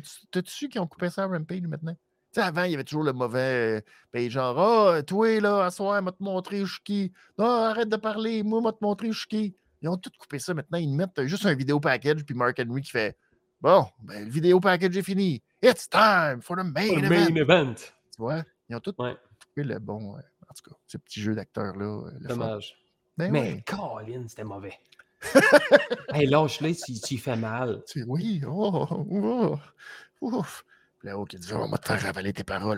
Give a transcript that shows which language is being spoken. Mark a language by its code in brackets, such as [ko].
[fr] T'as-tu su qu'ils ont coupé ça à Rampage maintenant? Tu sais, avant, il y avait toujours le mauvais. Ben, genre, ah, oh, toi, là, à soir, m'a te montré où je suis qui. Non, arrête de parler, moi, m'a te montré où je suis qui. Ils ont tout coupé ça maintenant. Ils mettent juste un vidéo package, puis Mark Henry qui fait bon, ben, le vidéo package est fini. [en] It's time for the main event. [fr] Tu vois, ils ont tout coupé le bon. En tout cas, ce petit jeu d'acteur-là. Dommage. Ben, mais, ouais. Colin, c'était mauvais. Hey, lâche-le, tu fais mal. Oui, oh, ouf. Là, Hook, il dit, on va te faire avaler tes paroles.